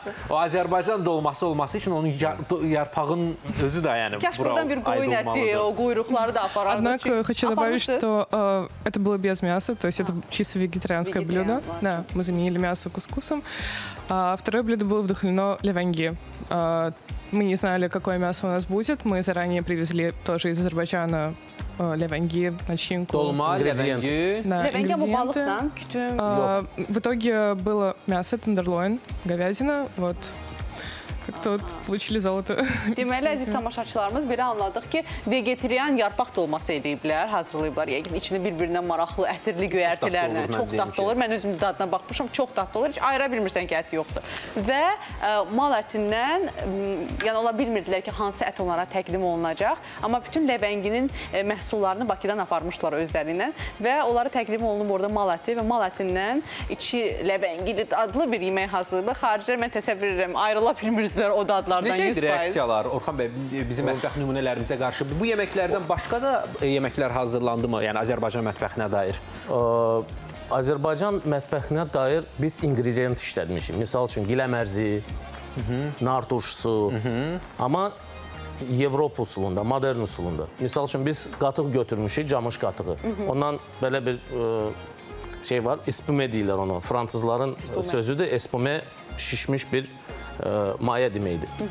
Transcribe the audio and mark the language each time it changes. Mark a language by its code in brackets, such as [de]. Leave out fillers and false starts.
[az] O Azərbaycan dolması olması üçün onun yarpağın özü də yəni. Kəş buradan bir qoyun əti, o qoyruqları da aparardı. [ru] Однак, хочу добавить, что это было без мяса, то есть это чисто вегетарианское блюдо. Да, мы заменили мясо кускусом. Второе блюдо было вдохновлено левенги. Мы не знали, какое мясо у нас будет. Мы заранее привезли тоже из Азербайджана левенги, начинку. Долма, левенги. Да, ингредиенты. В итоге было мясо тендерлоин, говядина, вот. Tut, buçili zolotu. [az] Deməli, əziz tamaşaçılarımız, belə anladıq ki, vegetarian yarpaq dolması ediblər, hazırlayıblar. Yəqin, içində bir-birinə maraqlı, ətirli göyərtilərlə. Çox dadlı olur, mən özüm dadına baxmışam, çox dadlı olur. Heç ayıra bilmirsən ki, əti yoxdur. Və mal ətindən, yəni ola bilmirdilər ki, hansı ət onlara təqdim olunacaq. Amma bütün ləvənginin məhsullarını Bakıdan aparmışlar özlərindən. Və onlara təqdim olunub orada mal əti və mal ətindən içi ləvəngili adlı bir yemək hazırlayıblar. Xaricilər, mən təsəvvür edirəm, ayrıla bilmir. O dadlardan 100%. Necə reaksiyalar Orxan bəy bizim mətbəx nümunələrimizə qarşı? Bu yeməklərdən başqa da yeməklər hazırlandı mı? Yəni Azərbaycan mətbəxinə dair? Azərbaycan mətbəxinə dair biz ingredient işlətmişik. Misal üçün, giləm ərzi, nar turşusu. Amma Evropa usulunda, modern usulunda. Misal üçün, biz qatıq götürmüşük, camış qatıqı. Ondan belə bir şey var, espume deyirlər onu. Fransızların sözüdür, espume şişmiş bir maya deməkdir.